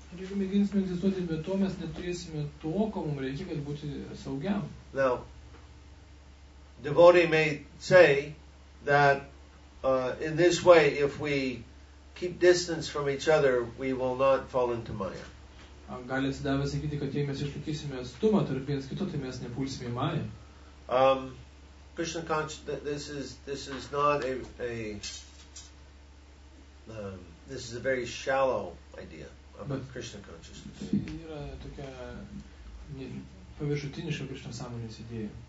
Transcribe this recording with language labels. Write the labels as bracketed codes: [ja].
[lt] Ir jeigu mėginsime egzistuoti be to, mes neturėsime to, ko mums reikia, kad būti saugiam. [en] Now, devotee may say that in this way, if we keep distance from each other, we will not fall into maya. [lt] Gali atsidavę sakyti, kad jei mes išlaikysime atstumą tarp vienas kito, tai mes nepulsime į maya. [en] Krishna consciousness, this is a very shallow idea about Krishna consciousness. [lt] Yra tokia paviršutiniška Krishna sąmonės idėja.